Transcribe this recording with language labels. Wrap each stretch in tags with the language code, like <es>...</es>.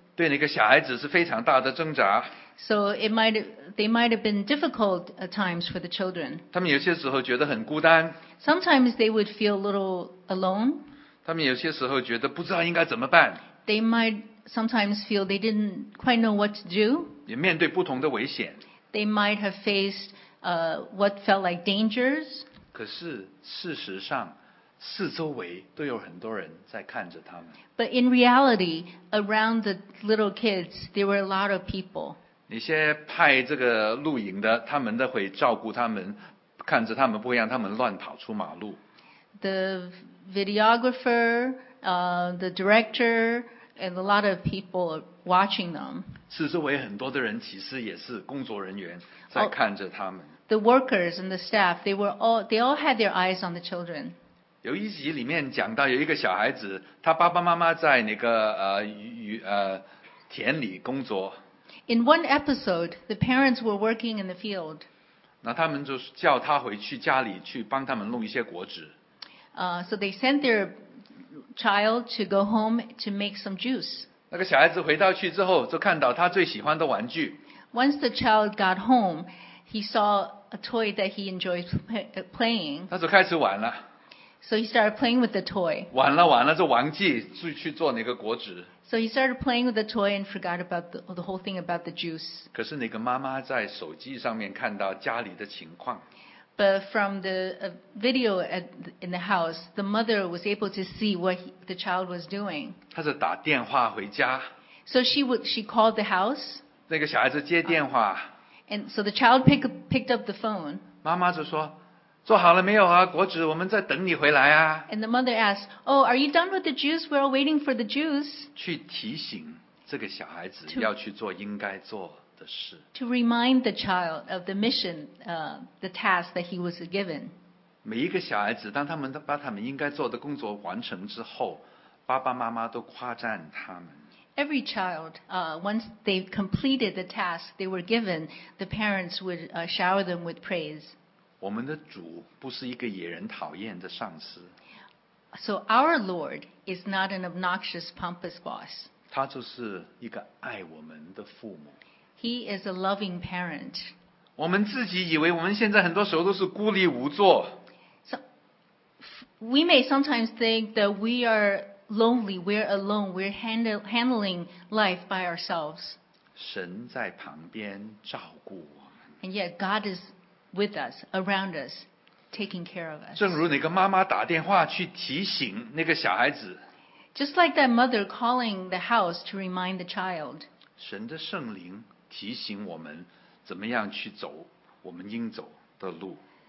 <zh>对那个小孩子是非常大的挣扎。</zh> <en>So it might, they might have been difficult at times for the children.</en> <zh>他们有些时候觉得很孤单。</zh> <en>Sometimes they would feel a little alone.</en> <zh>他们有些时候觉得不知道应该怎么办。</zh> <en>They might sometimes feel they didn't quite know what to do.</en> <zh>也面对不同的危险。</zh> <en>They might have faced, what felt like dangers.</en> <zh>可是事实上四周围都有很多人在看着他们。</zh> <en>But in reality, around the little kids, there were a lot of people.</en> <zh>那些派这个露营的，他们都会照顾他们，看着他们，不会让他们乱跑出马路。</zh> <en>The videographer, the director, and a lot of people watching them.</en> <zh>四周围很多的人其实也是工作人员在看着他们。</zh> <en>Oh, the workers and the staff, they were all, they all had their eyes on the children.</en> <zh>有一集里面讲到有一个小孩子，他爸爸妈妈在那个田里工作。</zh> <en>In one episode, the parents were working in the field.</en> <zh>那他们就叫他回去家里去帮他们弄一些果子。</zh> <en>So they sent their child to go home to make some juice.</en> <zh>那个小孩子回到去之后，就看到他最喜欢的玩具。</zh> <en>Once the child got home, he saw a toy that he enjoys playing.</en> <zh>他就开始玩了。</zh> <en>So he started playing with the toy.</en> <zh>玩了玩了，就忘记去做那个果子。</zh> <en>So he started playing with the toy and forgot about the whole thing about the juice.</en> <zh>可是那个妈妈在手机上面看到家里的情况。</zh> <en>But from the video at, in the house, the mother was able to see what he, the child was doing.</en> <zh>她是打电话回家。</zh> <en>So she called the house.</en> <zh>那个小孩子接电话。</zh> <en>And so the child picked up the phone.</en> <zh>妈妈就说做好了没有啊？果子，我们在等你回来啊。</zh> <en>And the mother asked, "Oh, are you done with the juice? We're all waiting for the juice."</en> <zh>去提醒这个小孩子要去做应该做的事。</zh> <en>To remind the child of the mission, the task that he was given.</en> <zh>每一个小孩子，当他们把他们应该做的工作完成之后，爸爸妈妈都夸赞他们。</zh> <en>Every child, once they completed the task they were given, the parents would shower them with praise.</en> <zh>我们的主不是一个惹人讨厌的上司。</zh> <en>So our Lord is not an obnoxious, pompous boss.</en> <zh>他就是一个爱我们的父母。</zh> <en>He is a loving parent.</en> <zh>我们自己以为我们现在很多时候都是孤立无助。</zh> <en>So we may sometimes think that we are lonely, we're alone, we're handling life by ourselves.</en> <zh>神在旁边照顾我们。</zh> <en>And yet God is. With us, around us, taking care of us.</en> <zh>正如那个妈妈打电话去提醒那个小孩子。</zh> <en>Just like that mother calling the house to remind the child.</en> <zh>神的圣灵提醒我们怎么样去走我们应走的路。</zh>